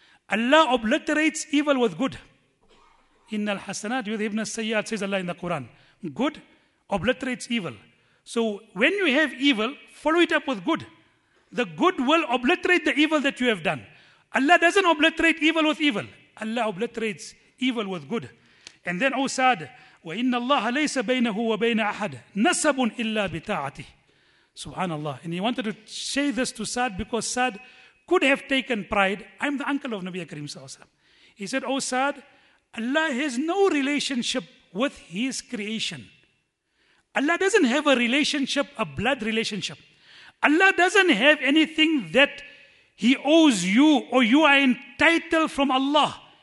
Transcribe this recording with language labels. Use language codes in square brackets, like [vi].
[en] Allah obliterates evil with good. [ar] Inna al hasanat yudhibna sayyi'at, [en] says Allah in the Quran. Good obliterates evil. So when you have evil, follow it up with good. The good will obliterate the evil that you have done. Allah doesn't obliterate evil with evil. Allah obliterates evil with good. And then, Sa'd, [ar] وَإِنَّ اللَّهَ لَيْسَ بَيْنَهُ وَبَيْنَ أَحَدٍ نَسَبٌ إِلَّا بِتَاعَتِهِ. [en] Subhanallah. And he wanted to say this to Sa'd because Sa'd could have taken pride. I'm the uncle of Nabi Karim Sallallahu Alaihi Wasallam. He said, Sa'd, Allah has no relationship with his creation. Allah doesn't have a relationship, a blood relationship. Allah doesn't have anything that he owes you or you are entitled from Allah.